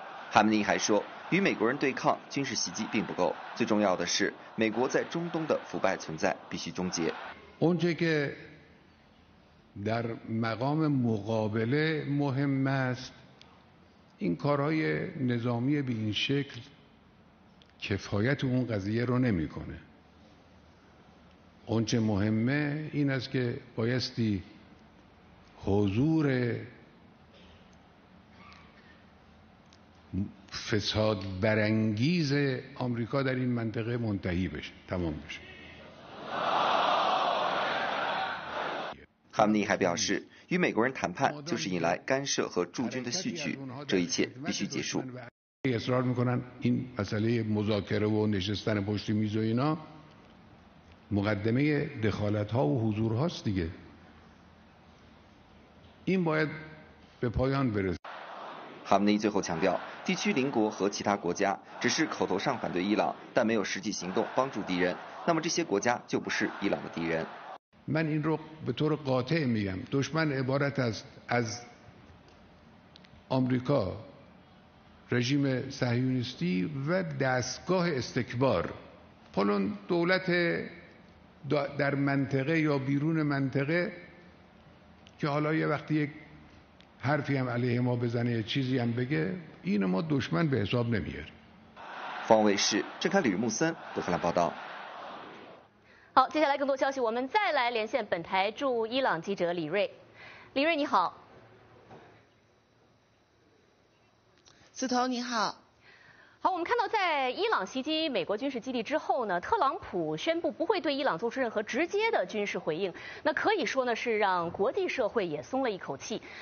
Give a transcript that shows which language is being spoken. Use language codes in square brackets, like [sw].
[zh] 哈梅内伊还说，与美国人对抗，军事袭击并不够，最重要的是，美国在中东的腐败存在必须终结。 [fa] اون چه که در مقام مقابله مهم است این کارهای نظامی به این شکل کفایت اون قضیه رو نمی کنه اون چه مهمه این است که بایستی حضور فساد برانگیز آمریکا در این منطقه منتهی بشه، تمام بشه. [zh] خامنه‌ای 还表示，与美国人谈判就是引来干涉和驻军的戏剧，这一切必须结束。 [fa] اصرار میکنن این مسئله مذاکره و نشستن پشت میز و اینا مقدمه دخالت ها و حضور هاست دیگه، این باید به پایان برسه. [zh] خامنه‌ای 最后强调，地区邻国和其他国家只是口头上反对伊朗，但没有实际行动帮助敌人，那么这些国家就不是伊朗的敌人。 [fa] من این رو به طور قاطع میگم، دشمن عبارت است از آمریکا، رژیم صهیونیستی و دستگاه استکبار. پلون دولت در منطقه یا بیرون منطقه که حالا یه وقتی یک حرفی هم علیه ما بزنه، یه چیزی هم بگه، این ما دشمن به حساب نمیاره. فان وی شی چه کاری رو موسن دو خلا بادا. [zh] 好，接下来更多消息，我们再来连线本台驻伊朗记者李瑞。李瑞，你好。子彤，你好。好，我们看到在伊朗袭击美国军事基地之后呢，特朗普宣布不会对伊朗做出任何直接的军事回应，那可以说呢是让国际社会也松了一口气。